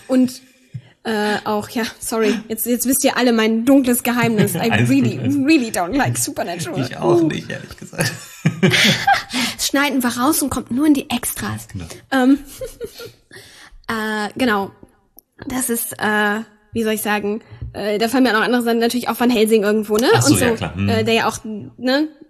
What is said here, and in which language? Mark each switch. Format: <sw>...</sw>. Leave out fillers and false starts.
<de>Und auch, ja, sorry, jetzt wisst ihr alle mein dunkles Geheimnis.</de> <en>I really, really don't like Supernatural.</en> <de>Ich auch nicht, ehrlich gesagt. Das schneiden wir raus und kommt nur in die Extras. Genau. Das ist, wie soll ich sagen, da fallen mir auch andere Sachen, natürlich auch Van Helsing irgendwo, ne? Ach so, und so, ja, klar. Der ja auch, ne?</de>